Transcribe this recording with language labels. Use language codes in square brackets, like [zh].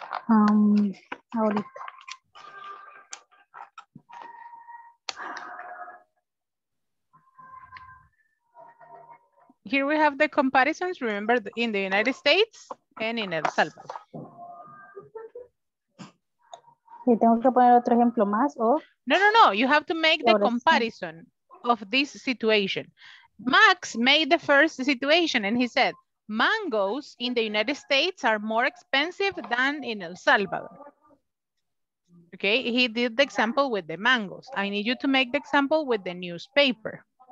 [es] Ahorita. [en] Here we have the comparisons, remember, in the United States and in El Salvador. [es] ¿Y tengo que poner otro ejemplo más, o? [en] No, no, no, you have to make the comparison of this situation. Max made the first situation and he said, mangoes in the United States are more expensive than in El Salvador. Okay, he did the example with the mangoes. I need you to make the example with the newspaper.